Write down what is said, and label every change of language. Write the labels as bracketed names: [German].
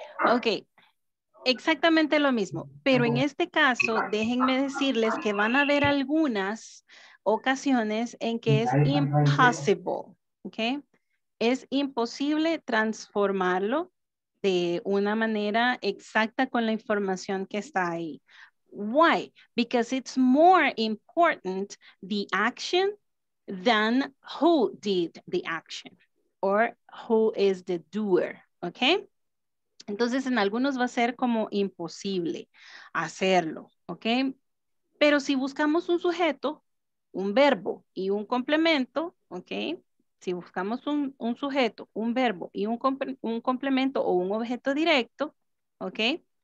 [Spanish] Ok, exactamente lo mismo, pero en este caso déjenme decirles que van a haber algunas ocasiones en que es impossible, ok, es imposible transformarlo de una manera exacta con la información que está ahí. [English] Why? Because it's more important the action than who did the action or who is the doer, okay? [Spanish] Entonces, en algunos va a ser como imposible hacerlo, okay? Pero si buscamos un sujeto, un verbo y un complemento, okay? Si buscamos un sujeto, un verbo y un complemento o un objeto directo, okay?